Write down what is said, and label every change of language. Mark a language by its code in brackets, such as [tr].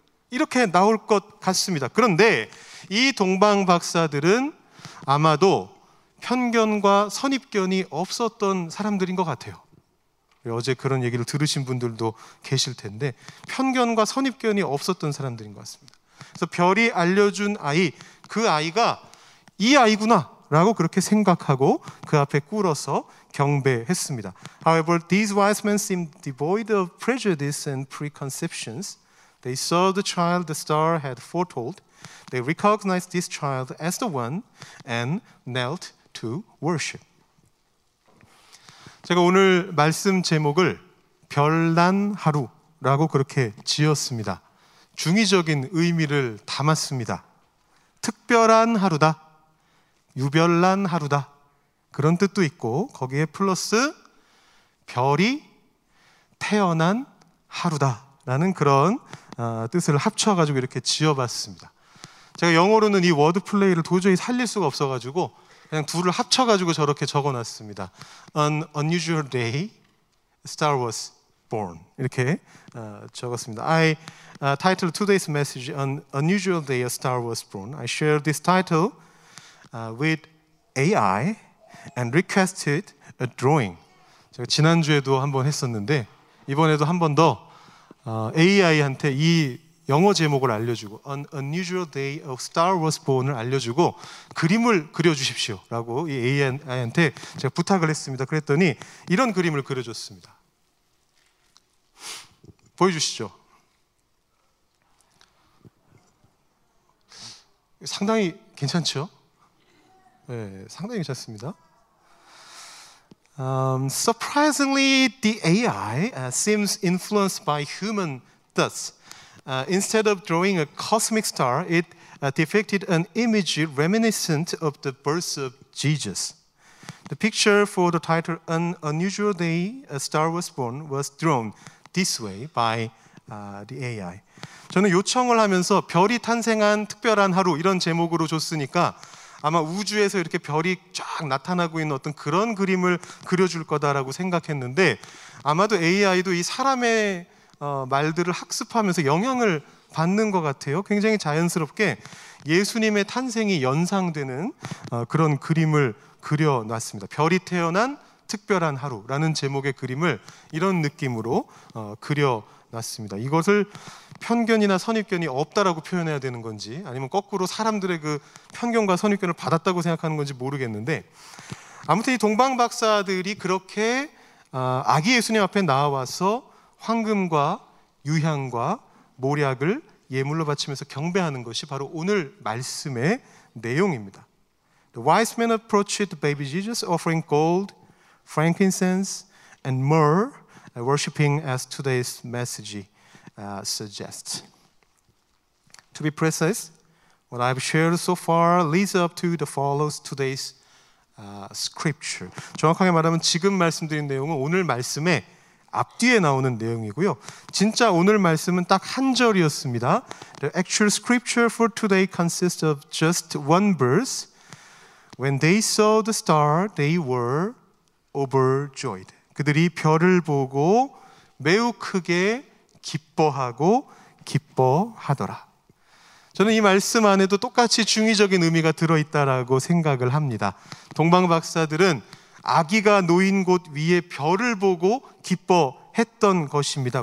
[ko] 이렇게 나올 것 같습니다. 그런데 이 동방 박사들은 아마도 편견과 선입견이 없었던 사람들인 것 같아요. 어제 그런 얘기를 들으신 분들도 계실 텐데 편견과 선입견이 없었던 사람들인 것 같습니다. 그래서 별이 알려준 아이, 그 아이가 이 아이구나 라고 그렇게 생각하고 그 앞에 꿇어서 경배했습니다. [en] However, these wise men seemed devoid of prejudice and preconceptions. They saw the child the star had foretold. They recognized this child as the one and knelt to worship. [ko] 제가 오늘 말씀 제목을 별난 하루라고 그렇게 지었습니다. 중의적인 의미를 담았습니다. 특별한 하루다. 유별난 하루다. 그런 뜻도 있고 거기에 플러스 별이 태어난 하루다라는 그런 뜻을 합쳐가지고 이렇게 지어봤습니다. 제가 영어로는 이 워드플레이를 도저히 살릴 수가 없어가지고 그냥 둘을 합쳐가지고 저렇게 적어놨습니다. [en] An unusual day, star was born. [ko] 이렇게 적었습니다. [en] I titled today's message, An unusual day, a star was born. I shared this title with AI and requested a drawing. [ko] 제가 지난주에도 한번 했었는데 이번에도 한번 더 AI한테 이 영어 제목을 알려주고 [en] An unusual day of star was born [ko] 을 알려주고 그림을 그려주십시오 라고 이 AI한테 제가 부탁을 했습니다. 그랬더니 이런 그림을 그려줬습니다. 보여주시죠. 상당히 괜찮죠? 네, 상당히 괜찮습니다. [en] Surprisingly, the AI seems influenced by human thoughts. Instead of drawing a cosmic star, it depicted an image reminiscent of the birth of Jesus. The picture for the title An Unusual Day, a Star Was Born was drawn this way by the AI. [ko] 저는 요청을 하면서 별이 탄생한 특별한 하루 이런 제목으로 줬으니까 아마 우주에서 이렇게 별이 쫙 나타나고 있는 어떤 그런 그림을 그려줄 거다라고 생각했는데 아마도 AI도 이 사람의 말들을 학습하면서 영향을 받는 것 같아요. 굉장히 자연스럽게 예수님의 탄생이 연상되는 그런 그림을 그려놨습니다. 별이 태어난 특별한 하루라는 제목의 그림을 이런 느낌으로 그려놨습니다. 이것을 편견이나 선입견이 없다라고 표현해야 되는 건지 아니면 거꾸로 사람들의 그 편견과 선입견을 받았다고 생각하는 건지 모르겠는데 아무튼 이 동방 박사들이 그렇게 아기 예수님 앞에 나와서 황금과 유향과 몰약을 예물로 바치면서 경배하는 것이 바로 오늘 말씀의 내용입니다. [en] The wise men approached the baby Jesus, offering gold, frankincense, and myrrh, worshiping as today's message suggests. To be precise, what I've shared so far leads up to the follows today's scripture. [ko] 정확하게 말하면 지금 말씀드린 내용은 오늘 말씀의 앞뒤에 나오는 내용이고요. 진짜 오늘 말씀은 딱 한 절이었습니다. [en] The actual scripture for today consists of just one verse. When they saw the star, they were overjoyed. [ko] 그들이 별을 보고 매우 크게 기뻐하고 기뻐하더라. 저는 이 말씀 안에도 똑같이 중의적인 의미가 들어있다라고 생각을 합니다. 동방 박사들은 아기가 놓인 곳 위에 별을 보고 기뻐했던 것입니다.